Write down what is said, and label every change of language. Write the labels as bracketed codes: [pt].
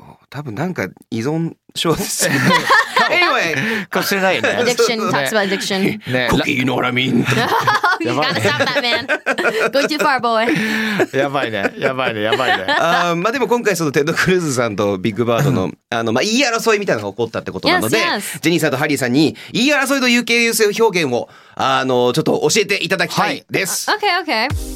[ja] 多分なんか依存症ですよね。 [en] Anyway, [ja] かしれないね。 [en] Addiction talks about addiction. Cookie, you know what I mean? You gotta stop that, man. Go too far, boy. [ja] やばいね、やばいね、やばいね。まあでも今回そのテッド・クルーズさんとビッグバードの まあ言い争いみたいなのが起こったってことなので、 [en] yes, yes. [ja] ジェニーさんとハリーさんに言い争いの UK 優勢表現をちょっと教えていただきたいです。はい、 [en] okay, okay.